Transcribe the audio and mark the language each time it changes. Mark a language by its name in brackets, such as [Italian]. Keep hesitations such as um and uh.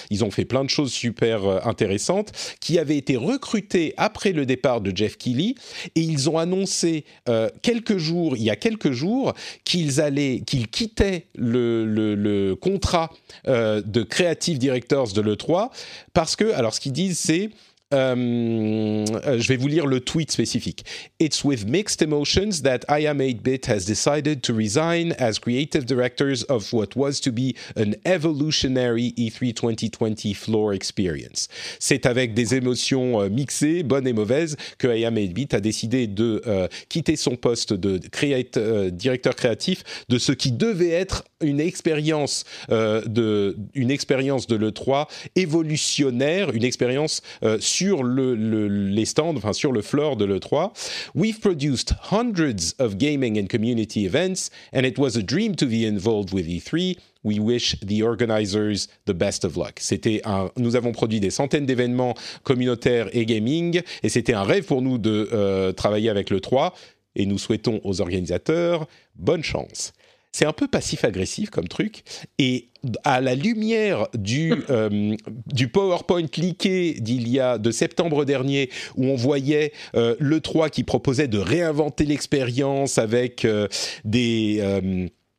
[French] Ils ont fait plein de choses super intéressantes, qui avaient été recrutées après le départ de Jeff Kelly et ils ont annoncé euh, quelques jours, il y a quelques jours, qu'ils allaient, qu'ils quittaient le, le, le contrat euh, de Creative Directors de l'E3 parce que, alors ce qu'ils disent, c'est Um, je vais vous lire le tweet spécifique. [English] It's with mixed emotions that I am 8-bit has decided to resign as creative directors of what was to be an evolutionary E3 2020 floor experience. [French] C'est avec des émotions mixées, bonnes et mauvaises, que I am 8-bit a décidé de uh, quitter son poste de create, uh, directeur créatif de ce qui devait être une expérience uh, de une expérience de le 3 évolutionnaire, une expérience sur le, le, les stands, enfin sur le floor de l'E3. [English] We've produced hundreds of gaming and community events, and it was a dream to be involved with E3. We wish the organizers the best of luck. [French] C'était un, nous avons produit des centaines d'événements communautaires et gaming, et c'était un rêve pour nous de euh, travailler avec l'E3, et nous souhaitons aux organisateurs bonne chance c'est un peu passif-agressif comme truc. Et à la lumière du, euh, du PowerPoint cliqué d'il y a de septembre dernier, où on voyait euh, l'E3 qui proposait de réinventer l'expérience avec euh, des